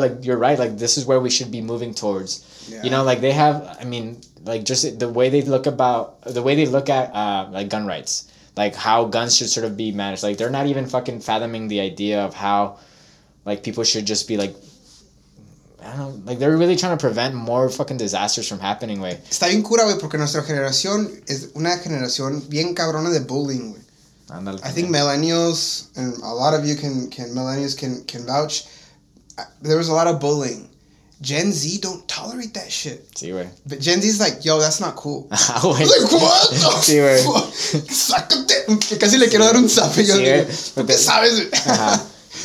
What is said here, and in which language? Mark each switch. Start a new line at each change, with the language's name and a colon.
English: Like, you're right, like this is where we should be moving towards. Yeah. You know, like they have, I mean, like just the way they look at like gun rights, like how guns should sort of be managed. Like they're not even fucking fathoming the idea of how like people should just be like, I don't know, like they're really trying to prevent more fucking disasters from happening, way.
Spanish: Está bien cura, wey, porque nuestra generación es una generación bien cabrona de bullying, wey.
English: I think millennials, and a lot of you can vouch, there was a lot of bullying. Gen Z don't tolerate that shit.
Spanish: Sí, güey.
English: But Gen Z's like, yo, that's not cool. Like, what the
Spanish: sí, güey. Sácate. Casi le quiero dar un zape. Sí, güey. ¿Qué sabes?